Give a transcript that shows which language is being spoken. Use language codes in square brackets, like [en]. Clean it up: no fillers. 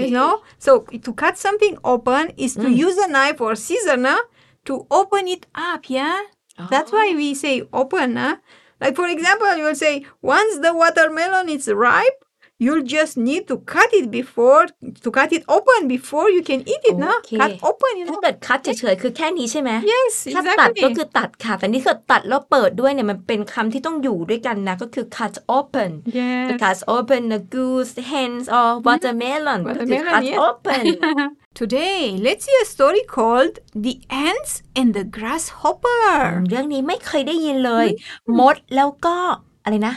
[en] You know, so to cut something open is to use a knife or scissor, no? To open it up, yeah? Oh. That's why we say open, no? Like, for example, you'll say, once the watermelon is ripe, you'll just need to cut it before, to cut it open before you can eat it, okay. No? Cut open, you know? [th] ถ้าเกิดคัตเฉยๆคือแค่นี้ใช่ไหม [en] Yes, exactly. [th] ถ้าตัดก็คือตัดค่ะแต่นี่ถ้าตัดแล้วเปิดด้วยเนี่ยมันเป็นคำที่ต้องอยู่ด้วยกันนะก็คือ cut open. [en] Yes. To cut open a goose, hens, or watermelon. Watermelon, cut open. Today, let's see a story called The Ants and the Grasshopper. [th] เรื่องนี้ไม่เคยได้ยินเลยมดแล้วก็อะไรนะ